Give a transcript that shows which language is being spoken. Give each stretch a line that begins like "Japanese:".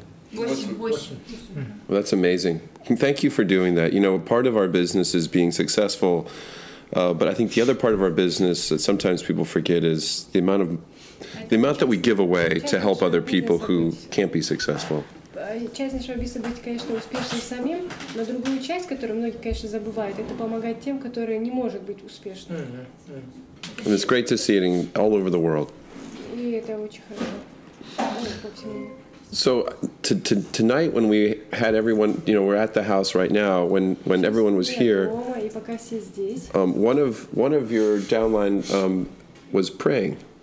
English: Well, that's amazing. Thank you for doing that. You know, part of our business is being successful. But I think the other part of our business that sometimes people forget is the amount that we give away to help other people who can't be successful.
Russian: Часть нашего бизнеса быть, конечно, успешным самим, но другую часть, которую многие, конечно, забывают, это помогать тем, которые не могут быть успешными.
English: And it's great to see it all over the world.
Russian: И это очень хорошо.
English: So tonight when we had everyone, you know, we're at the house right now, when everyone was here, one of your downline was praying.